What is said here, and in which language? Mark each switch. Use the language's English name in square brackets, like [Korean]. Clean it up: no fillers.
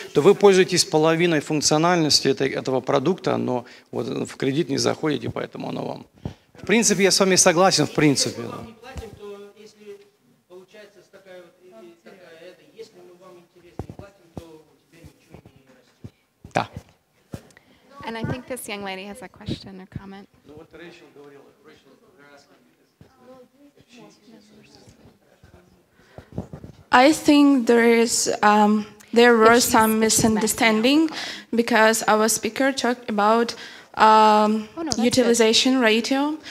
[Russian] То вы пользуетесь половиной функциональности этого продукта, но вот в кредит не заходите, поэтому оно вам. В принципе, я с вами согласен, в принципе. Если мы вам не платим, то если получается такая вот, если мы вам интересно не платим, то у тебя ничего не растет. Да. [English] And I think this young lady has a question or comment. [Russian] Ну вот Рэйчел говорила, Рэйчел, вы рассказывали. [English] I think there were some misunderstanding because our speaker talked about utilization ratio.